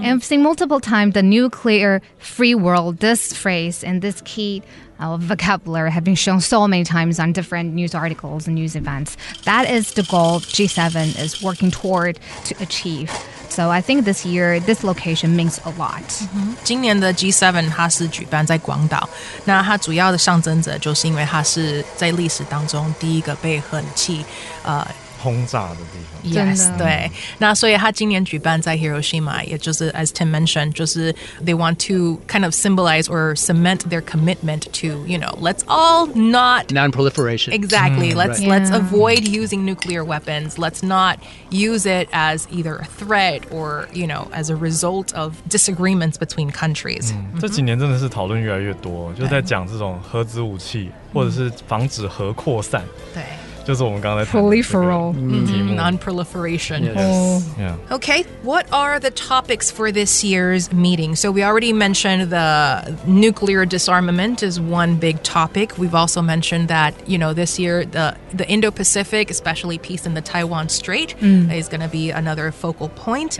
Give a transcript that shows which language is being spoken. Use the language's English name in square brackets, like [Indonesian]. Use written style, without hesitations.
[English] And I've seen multiple times the nuclear free world, this phrase and this key vocabulary have been shown so many times on different news articles and news events. That is the goal G7 is working toward to achieve. So I think this year, this location means a lot. Mm-hmm. [Chinese] 今年的 G7 它是举办在广岛，那它主要的象征者就是因为它是在历史当中第一个被核武器轰炸的地方。 Yes, 对。那所以它今年举办在 [English] Hiroshima, [Chinese] 也就是 [English] as Tim mentioned, [Chinese] 就是 [English] they want to kind of symbolize or cement their commitment to, you know, let's all not... Non-proliferation. Exactly. Let's avoid using nuclear weapons. Let's not use it as either a threat or, you know, as a result of disagreements between countries. [Chinese] 这几年真的是讨论越来越多，就在讲这种核子武器，或者是防止核扩散。对。就是我们刚才谈的这个题目 [English] Non-proliferation. Yes. Yeah. Okay, what are the topics for this year's meeting? So we already mentioned the nuclear disarmament is one big topic. We've also mentioned that, you know, this year the Indo-Pacific, especially peace in the Taiwan Strait, is going to be another focal point.